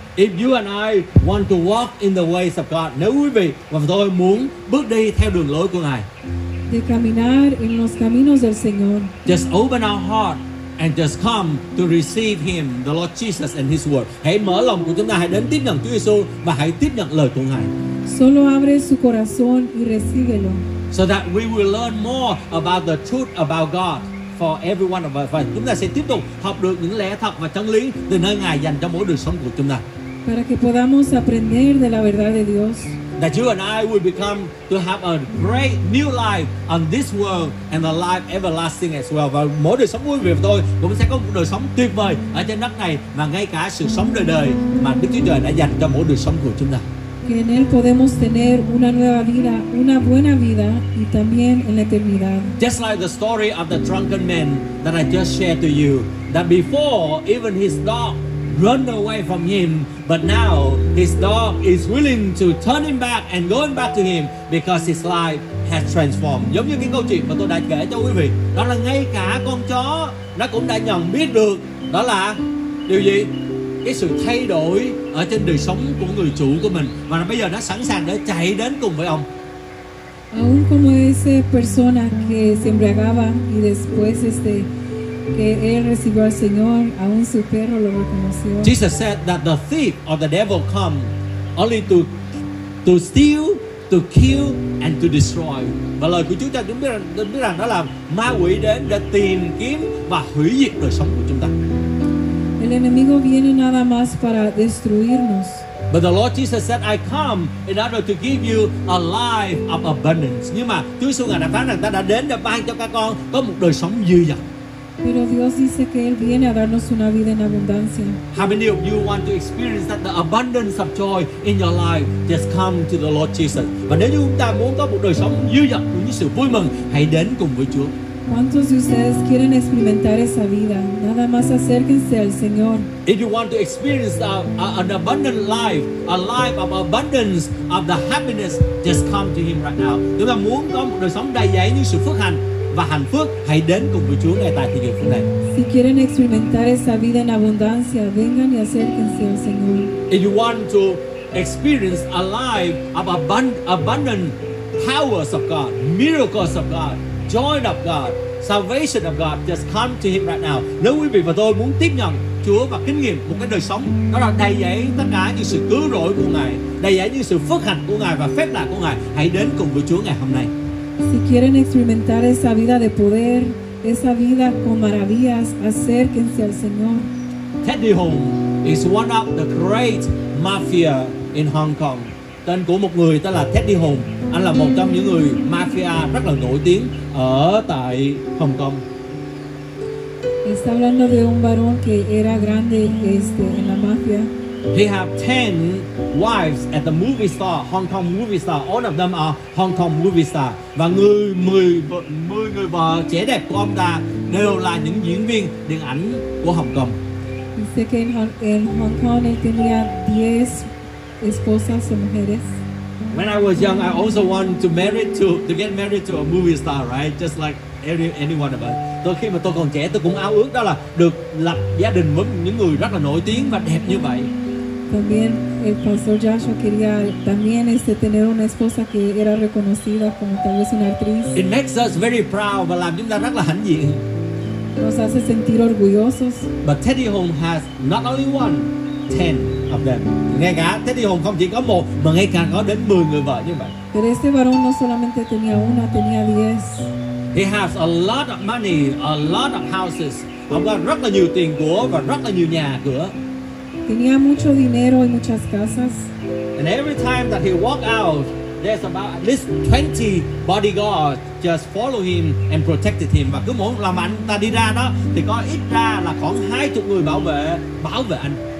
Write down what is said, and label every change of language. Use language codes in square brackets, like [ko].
[en] If you and I want to walk in the ways of God, [vi] nếu quý vị và tôi muốn bước đi theo đường lối của Ngài, [es] de caminar en los caminos del Señor, [en] just open our heart and just come to receive him, the Lord Jesus and his word. [vi] Hãy mở lòng của chúng ta, hãy đến tiếp nhận Chúa Giêsu và hãy tiếp nhận lời của Ngài. [es] Solo abre su corazón y recíbelo. [en] So that we will learn more about the truth about God for every one of us. [vi] Và chúng ta sẽ tiếp tục học được những lẽ thật và chân lý từ nơi Ngài dành cho mỗi đời sống của chúng ta. [es] Para que podamos aprender de la verdad de Dios. [en] That you and I will become to have a great new life on this world and a life everlasting as well. [vi] Và mỗi đời sống vui vẻ của tôi cũng sẽ có một đời sống tuyệt vời ở trên đất này, và ngay cả sự sống đời đời mà Đức Chúa Trời đã dành cho mỗi đời sống của chúng ta. [es] porque en Él podemos tener una nueva vida, una buena vida y también en la eternidad. [en] Just like the story of the drunken man that I just shared to you, that before even his dog run away from him, but now his dog is willing to turn him back and going back to him because his life has transformed. [vi] Giống như cái câu chuyện mà tôi đã kể cho quý vị, đó là ngay cả con chó nó cũng đã nhận biết được đó là điều gì? Cái sự thay đổi ở trên đời sống của người chủ của mình, và bây giờ nó sẵn sàng để chạy đến cùng với ông. [es] Aún como esa persona que se embriagaba y después que él recibió al Señor, aún su perro lo reconoció. [en] Jesus said that the thief or the devil come only to steal, to kill and to destroy. [vi] Và lời của Chúa cho chúng biết rằng đó là ma quỷ đến để tìm kiếm và hủy diệt đời sống của chúng ta. [es] El enemigo viene nada más para destruirnos. [en] But the Lord Jesus said, I come in order to give you a life of abundance. [vi] Nhưng mà Chúa Jesus ngài đã phán rằng ta đã đến để ban cho các con có một đời sống dư dật. [es] Pero Dios dice que él viene a darnos una vida en abundancia. [en] How many of you want to experience that the abundance of joy in your life? Just come to the Lord Jesus. [vi] Và nếu như chúng ta muốn có một đời sống dư dật cũng như sự vui mừng, hãy đến cùng với Chúa. [es] ¿Cuántos de ustedes quieren experimentar esa vida? Nada más acérquense al Señor. [en] If you want to experience an abundant life, a life of abundance, of the happiness, just come to Him right now. [vi] Nếu mà muốn có một đời sống đầy dẫy những sự phước hạnh và hạnh phúc, hãy đến cùng với Chúa ngay tại thời điểm này. [es] Si quieren experimentar esa vida en abundancia, vengan y acérquense al Señor. [en] If you want to experience a life of abundant powers of God, miracles of God, joy of God, salvation of God, just come to Him right now. [vi] Nếu quý vị và tôi muốn tiếp nhận Chúa và kinh nghiệm một cái đời sống đó là đầy dẫy tất cả những sự cứu rỗi của Ngài, đầy dẫy những sự phước hạnh của Ngài và phép lạ của Ngài, hãy đến cùng với Chúa ngày hôm nay. [es] Si quieren experimentar esa vida de poder, esa vida con maravillas, acérquense al Señor. [en] Teddy Hung is one of the great mafia in Hong Kong. [vi] Tên của một người tên là Teddy Hung. Anh là một trong những người mafia rất là nổi tiếng ở tại Hồng Kông. [es] Está hablando de un varón que era grande en la mafia. [en] He have 10 wives at the movie star, Hong Kong movie star. All of them are Hong Kong movie star. [vi] Và người 10 người vợ trẻ đẹp của ông ta đều là những diễn viên điện ảnh của Hồng Kông. [es] Dice que en Hong Kong él tenía 10 esposas o mujeres. [en] When I was young, I also wanted to get married to a movie star, right? Just like anyone of us. [vi] Tôi khi mà tôi còn trẻ, tôi cũng ao ước đó là được lập gia đình với những người rất là nổi tiếng và đẹp như vậy. [es] También el pastor Joshua quería también tener una esposa que era reconocida como tal vez una actriz. [en] It makes us very proud [vi] và làm chúng ta rất là hãnh diện. [es] Nos hace sentir orgullosos. [en] But Teddy Hung has not only one, 10 of them. [vi] Ngay cả Teddy Hung không chỉ có một mà ngay cả có đến 10 người vợ như vậy. [es] Pero este varón no solamente tenía una, tenía 10. [en] He has a lot of money, a lot of houses. [vi] Ông có rất là nhiều tiền của và rất là nhiều nhà cửa. [es] Tenía mucho dinero y muchas casas. [en] And every time that he walk out, there's about at least 20 bodyguards just follow him and protected him. [vi] Và cứ mỗi lần anh ta đi ra đó thì có ít ra là khoảng 20 người bảo vệ anh.